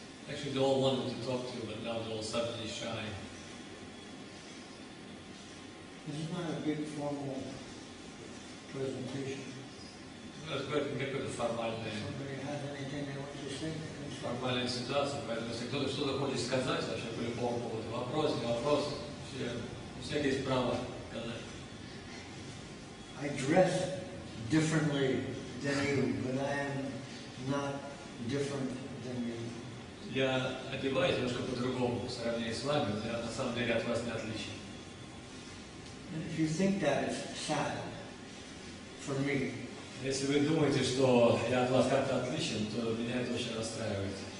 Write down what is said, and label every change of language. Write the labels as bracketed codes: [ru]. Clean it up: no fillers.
[en] Actually, they all wanted to talk to you, but now they're all suddenly shy. This is not a big formal presentation. That's quite a bit of a formal thing. If somebody has anything they want to say, they can start. Formal situation, [ru] поэтому если кто-то что-то хочет сказать, вообще по любому поводу, вопрос, не вопрос, все, у всех есть право сказать. I dress differently than you, but I am not different than you. Я одеваюсь немножко по-другому в сравнении с вами, но я на самом деле от вас не отличен. If you think that is sad for me. Если вы думаете, что я от вас как-то отличен, то меня это очень расстраивает.